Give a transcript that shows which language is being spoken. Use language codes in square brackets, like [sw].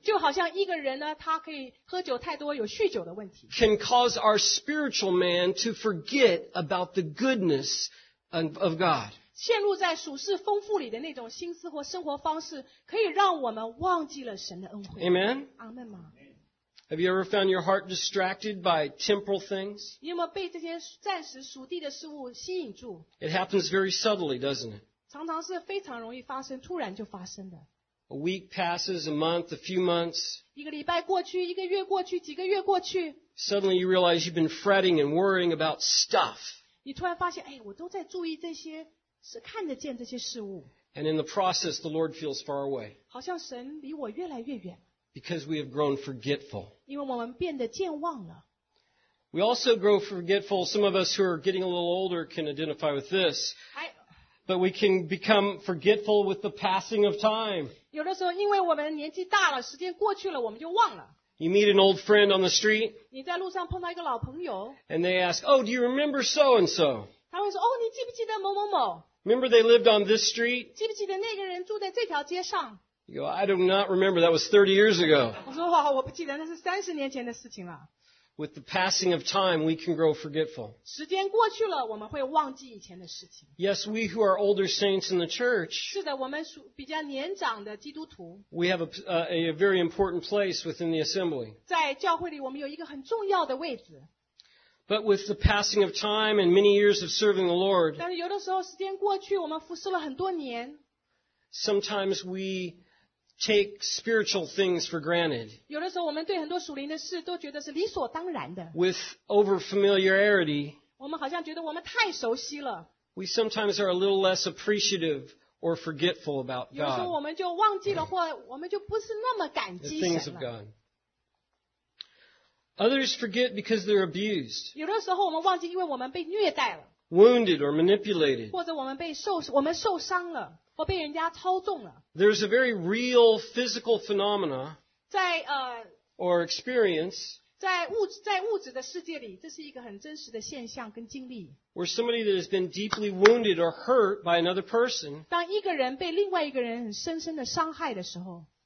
[zh] 就好像一个人呢，他可以喝酒太多，有酗酒的问题。 [en] Can cause our spiritual man to forget about the goodness of God. [zh] 陷入在属世丰富里的那种心思或生活方式，可以让我们忘记了神的恩惠。 [en] Amen. [zh] 阿门吗？ [en] Have you ever found your heart distracted by temporal things? [zh] 你有没有被这些暂时属地的事物吸引住？ [en] It happens very subtly, doesn't it? [zh] 常常是非常容易发生，突然就发生的。 [en] A week passes, a month, a few months. [zh] 一个礼拜过去，一个月过去，几个月过去。 [en] Suddenly you realize you've been fretting and worrying about stuff. [zh] 你突然发现，哎，我都在注意这些，是看得见这些事物。 [en] And in the process, the Lord feels far away. [zh] 好像神离我越来越远。 [en] Because we have grown forgetful. [zh] 因为我们变得健忘了。 [en] We also grow forgetful. Some of us who are getting a little older can identify with this. But we can become forgetful with the passing of time. [zh] 有的时候因为我们年纪大了，时间过去了，我们就忘了。 [en] You meet an old friend on the street. [zh] 你在路上碰到一个老朋友。 [en] And they ask, oh, do you remember so and so? [zh] 他会说，哦，你记不记得某某某？ [en] Remember they lived on this street? [zh] 记不记得那个人住在这条街上？ [en] You go, I do not remember. That was 30 years ago. [zh] 我说哇，我不记得，那是30年前的事情了。 [en] With the passing of time, we can grow forgetful. [zh] 时间过去了，我们会忘记以前的事情。 [en] Yes, we who are older saints in the church. [zh] 是的，我们比较年长的基督徒。 [en] We have a very important place within the assembly. [zh] 在教会里，我们有一个很重要的位置。 [en] But with the passing of time and many years of serving the Lord. [zh] 但是有的时候时间过去，我们服侍了很多年。 [en] Sometimes we take spiritual things for granted. [zh] 有的时候我们对很多属灵的事都觉得是理所当然的。 [en] With over familiarity, [zh] 我们好像觉得我们太熟悉了。 [en] We sometimes are a little less appreciative or forgetful about God. [zh] 有的时候我们就忘记了，或我们就不是那么感激神了。 [en] The things of God. Others forget because they're abused. [zh] 有的时候我们忘记，因为我们被虐待了。 [en] Wounded or manipulated. [zh] 或者我们受伤了，或被人家操纵了。 [en] There's a very real physical phenomena. [zh] 在 [en] or experience. [zh] 在物质的世界里，这是一个很真实的现象跟经历。 [en] Where somebody that has been deeply wounded or hurt by another person. [zh] 当一个人被另外一个人很深深的伤害的时候